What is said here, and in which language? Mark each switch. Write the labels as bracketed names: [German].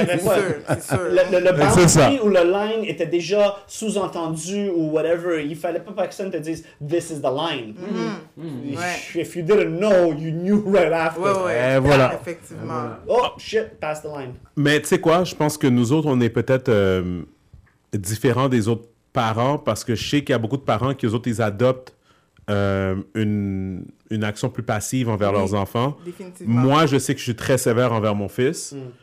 [French] Le boundary ou le line était déjà sous-entendu ou whatever. Il fallait pas que personne te dise [English] this is the line. If you didn't know, you knew right after. [French] Voilà. Effectivement. [English] Oh shit, pass the line. [French] Mais tu sais quoi, je pense que nous autres on est peut-être différents des autres parents, parce que je sais qu'il y a beaucoup de parents qui, eux autres, ils adoptent une action plus passive envers leurs enfants. Définitivement. Moi, je sais que je suis très sévère envers mon fils.